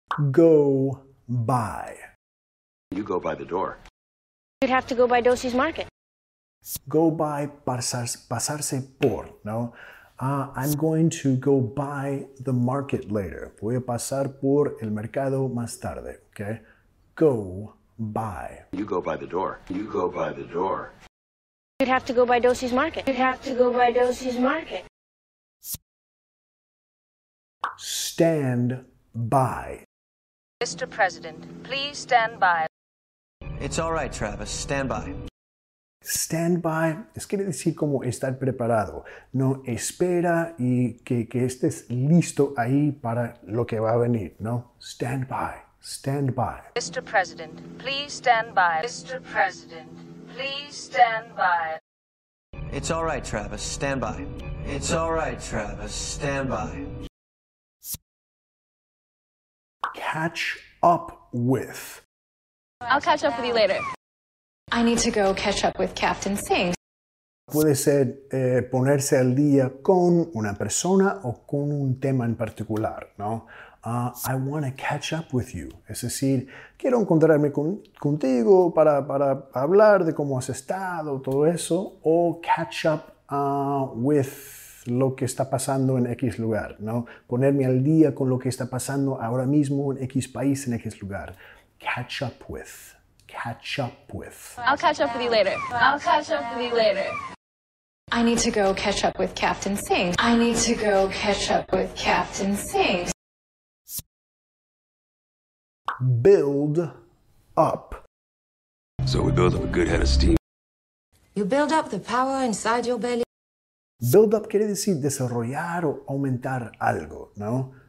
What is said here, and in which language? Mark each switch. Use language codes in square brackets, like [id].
[en] Go by. You go by the door. You'd have to go by Dosey's Market. [es] Go by, pasarse por, ¿no? [en] I'm going to go by the market later. [es] Voy a pasar por el mercado más tarde, okay? [en] Go by. You go by the door. You go by the door. You'd have to go by Dosey's Market. You'd have to go by Dosey's Market. Stand by. Mr. President, please stand by. It's all right, Travis. Stand by. [es] Stand by, es quiere decir como estar preparado, ¿no? Espera y que estés listo ahí para lo que va a venir, ¿no? [en] Stand by, stand by. Mr. President, please stand by. Mr. President, please stand by. It's all right, Travis, stand by. It's all right, Travis, stand by. Catch up with. I'll catch up with you later. I need to go catch up with Captain Singh. [es] Puede ser ponerse al día con una persona o con un tema en particular, ¿no? [en] I want to catch up with you. [es] Es decir, quiero encontrarme contigo para hablar de cómo has estado, todo eso. O catch up with lo que está pasando en X lugar, ¿no? Ponerme al día con lo que está pasando ahora mismo en X país, en X lugar. [en] Catch up with. Catch up with. I'll catch up with you later. I'll catch up with you later. I need to go catch up with Captain Singh. I need to go catch up with Captain Singh. Build up. So we build up a good head of steam. You build up the power inside your belly. [es] Build up quiere decir desarrollar o aumentar algo, ¿no?